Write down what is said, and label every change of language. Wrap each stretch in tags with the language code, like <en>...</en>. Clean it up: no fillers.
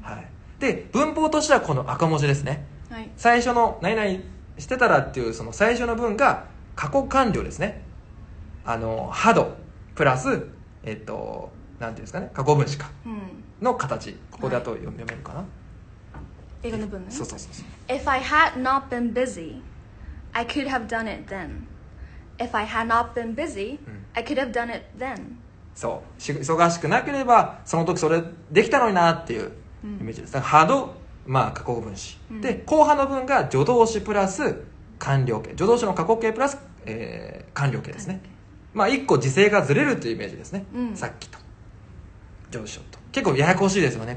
<ja>はい、で文法としてはこの赤文字ですね、はい、最初の何々してたらっていうその最初の文が過去完了ですね、あの had プラスなんていうんですかね、過去分詞か、うん、の形、ここだと読めるかな、はい、英語の文ね。そうそうそう。</ja> <en>If I had not been busy, I could have done it then. If I had not been busy, I could have done it then.</en> <ja>そう、忙しくなければその時それできたのになっていうイメージです。 had、うん、まあ過去分詞、うん、で後半の文が助動詞プラス完了形、助動詞の過去形プラス、完了形ですね。まあ一個時制がずれるというイメージですね、うん、さっきと上昇と結構ややこしいですよね。</ja>